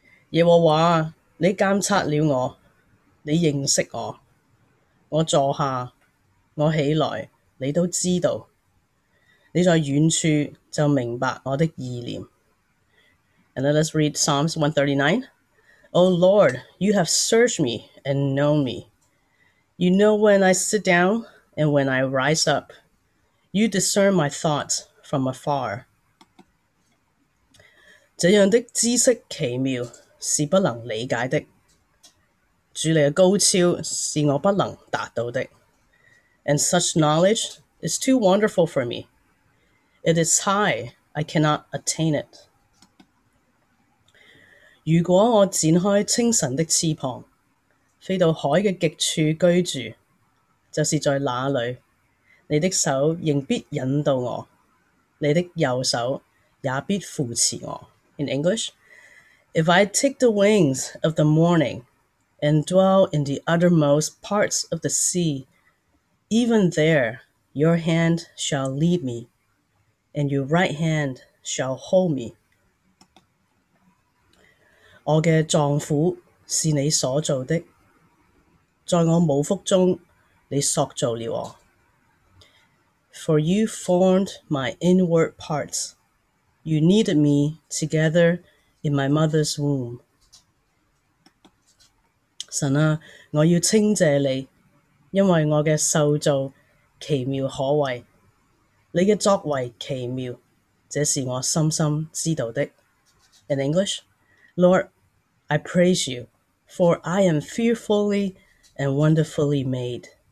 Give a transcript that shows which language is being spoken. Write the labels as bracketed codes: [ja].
[zh] 耶和华，你监察了我，你认识我，我坐下，我起来，你都知道。你在远处就明白我的意念。 [en] And let us read Psalms 139. O Lord, you have searched me and known me. You know when I sit down and when I rise up. You discern my thoughts from afar. [zh] 这样的知识奇妙是不能理解的，主你的高超是我不能达到的。 [en] And such knowledge is too wonderful for me. It is high, I cannot attain it. [zh] 如果我展开清晨的翅膀，飞到海嘅极处居住，就是在那里，你的手仍必引导我，你的右手也必扶持我。 [en] In English, if I take the wings of the morning and dwell in the uttermost parts of the sea, even there your hand shall lead me, and your right hand shall hold me. [zh] 我嘅脏腑是你所造的，在我母腹中你塑造了我。 [en] For you formed my inward parts, you knitted me together in my mother's womb. [zh] 神啊，我要称谢你，因为我嘅受造奇妙可畏，你嘅作为奇妙，这是我深深知道的。 [en] In English, Lord, I praise you, for I am fearfully and wonderfully made.